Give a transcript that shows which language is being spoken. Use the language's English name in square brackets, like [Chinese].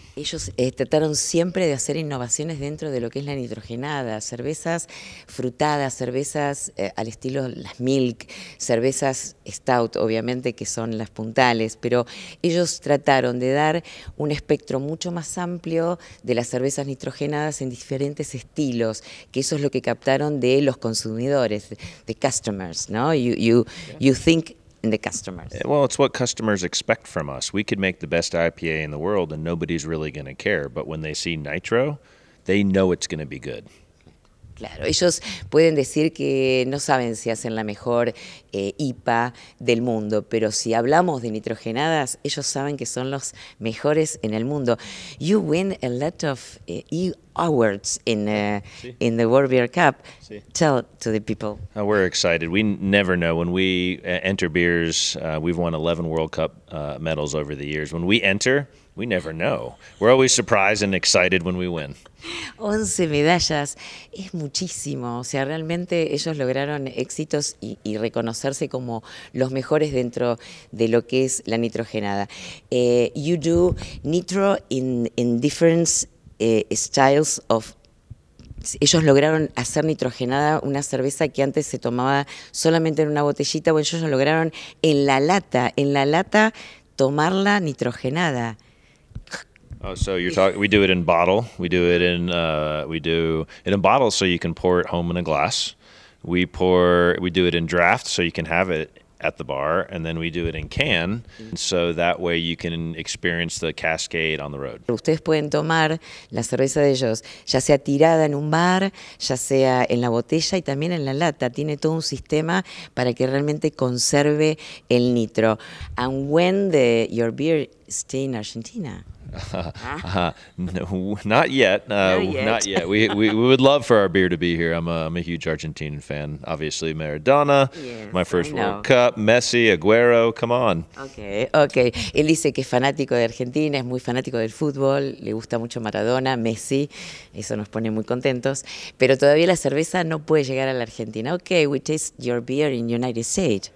[Spanish] Ellos trataron siempre de hacer innovaciones dentro de lo que es la nitrogenada, cervezas frutadas, cervezas al estilo las milk, cervezas stout, obviamente, que son las puntales, pero ellos trataron de dar un espectro mucho más amplio de las cervezas nitrogenadas en diferentes estilos, que eso es lo que captaron de los consumidores, [English] the customers, [Spanish] ¿no? [English] You think in the customers. Well, it's what customers expect from us. We could make the best IPA in the world and nobody's really going to care, but when they see nitro, they know it's going to be good. Claro, ellos pueden decir que no saben si hacen la mejor IPA del mundo, pero si hablamos de nitrogenadas, ellos saben que son los mejores en el mundo. You win a lot of awards in the World Beer Cup. Sí. Tell to the people. We're excited. We never know. When we enter beers, we've won 11 World Cup medals over the years. When we enter, we never know. We're always surprised and excited when we win. [Spanish] 11 medallas es muchísimo. O sea, realmente ellos lograron éxitos y reconocerse como los mejores dentro de lo que es la nitrogenada. [English] You do nitro in different styles of [Spanish] ellos lograron hacer nitrogenada una cerveza que antes se tomaba solamente en una botellita. Bueno, ellos lo lograron en la lata tomarla nitrogenada. [English] Oh, so you're talking, we do it in bottle. We do it in bottle so you can pour it home in a glass. We do it in draft so you can have it at the bar, and then we do it in can, so that way you can experience the cascade on the road. [Spanish] Ustedes pueden tomar la cerveza de ellos, ya sea tirada en un bar, ya sea en la botella y también en la lata. Tiene todo un sistema para que realmente conserve el nitro. [English] And when the your beer stay in Argentina? No, not yet. We would love for our beer to be here. I'm a huge Argentinian fan. Obviously, Maradona, yes, my first World Cup, Messi, Aguero, come on. Okay. [Spanish] Él dice que es fanático de Argentina, es muy fanático del fútbol, le gusta mucho Maradona, Messi, eso nos pone muy contentos. Pero todavía la cerveza no puede llegar a la Argentina. [English] Okay, we taste your beer in United States.